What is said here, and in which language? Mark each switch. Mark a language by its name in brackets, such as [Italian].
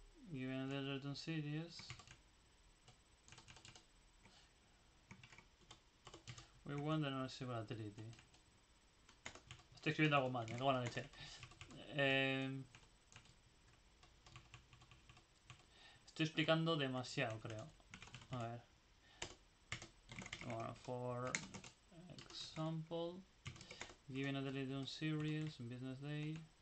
[English] Given the return series, we want the annualized volatility. [Spanish] Estoy escribiendo algo mal, me cago en la leche. Estoy explicando demasiado, creo. A ver. Bueno, [English] for example, given a daily return series, business day.